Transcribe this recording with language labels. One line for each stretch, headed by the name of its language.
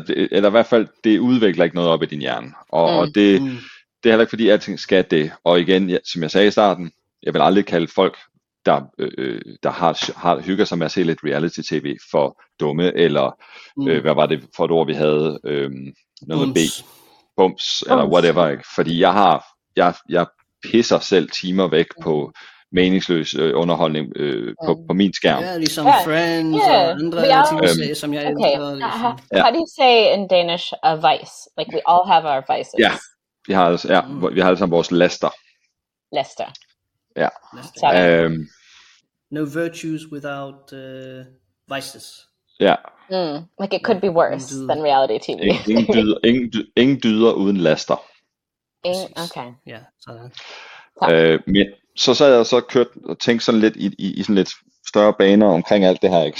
Danish: Eller i hvert fald, det udvikler ikke noget op i din hjerne, og det er heller ikke, fordi alting skal det, og igen, som jeg sagde i starten, jeg vil aldrig kalde folk, der hygger sig med at se lidt reality tv, for dumme, eller hvad var det for et ord, vi havde, noget med bums, eller whatever, ikke? Fordi jeg pisser selv timer væk på meningsløs underholdning på min skærm. Ja, ligesom Friends og andre ting, som jeg elsker. Okay.
English: How do you say in Danish a vice? Like, we all have our vices.
Danish: Ja, vi har alle sammen vores laster. Laster. Ja.
English: No virtues without vices.
Danish: Ja.
English: Like, it could be worse than reality TV.
Danish: ingen dyder uden laster. Okay. Ja, sådan. Så sad jeg og så kørt og tænkte sådan lidt i sådan lidt større baner omkring alt det her, ikke?